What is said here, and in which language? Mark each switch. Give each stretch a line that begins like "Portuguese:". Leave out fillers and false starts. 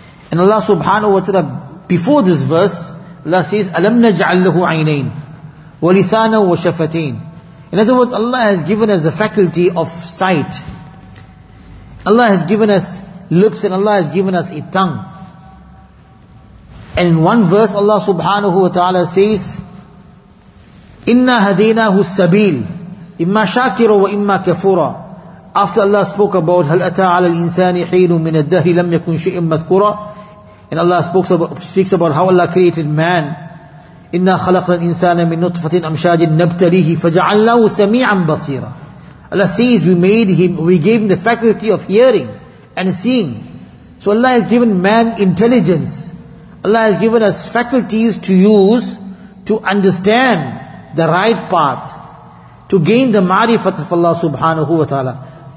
English: And Allah subhanahu wa ta'ala, before this verse, Allah says,
Arabic: أَلَمْ نَجْعَلْ لَهُ عَيْنَيْنِ وَلِسَانًا وَشَفَتَيْنِ.
English: In other words, Allah has given us the faculty of sight. Allah has given us lips, and Allah has given us a tongue. And in one verse, Allah subhanahu wa ta'ala says,
Arabic: إِنَّا هَدَيْنَاهُ السَّبِيلِ إِمَّا شَاكِرًا وَإِمَّا كَفُورًا.
English: After Allah spoke about
Arabic: هَلْ أَتَى عَلَى الْإِنسَانِ حِينٌ مِنَ الدَّهْرِ لَمْ يَكُنْ شَيْءٍ مَذْكُرًا.
English: And Allah speaks about how Allah created man.
Arabic: إِنَّا خَلَقْنَا الْإِنسَانَ مِنْ نُطْفَةٍ أَمْشَاجٍ نَبْتَلِيهِ فَجَعَلْنَاهُ سَمِيعًا بَصِيرًا.
English: Allah says, we gave him the faculty of hearing and seeing. So Allah has given man intelligence. Allah has given us faculties to use to understand the right path, to gain the ma'rifat of Allah subhanahu wa ta'ala.